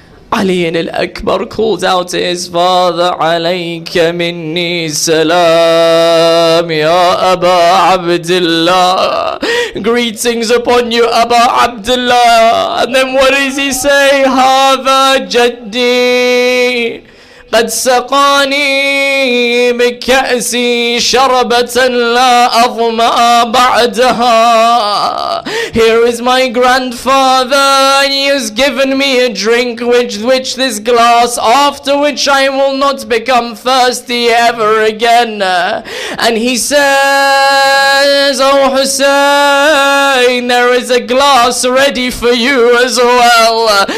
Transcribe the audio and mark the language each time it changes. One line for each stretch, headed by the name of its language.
English: Ali al-Akbar called out to his father,
Arabic: "Alayka minni salam, ya Aba Abdullah."
English: greetings upon you, Abba Abdullah. And then what does he say?
Arabic: Hava Jaddi. قد سقاني بكأسي شربة لا أظمأ بعدها.
English: Here is my grandfather, and he has given me a drink which this glass, after which I will not become thirsty ever again. And he says, O Hussein, there is a glass ready for you as well.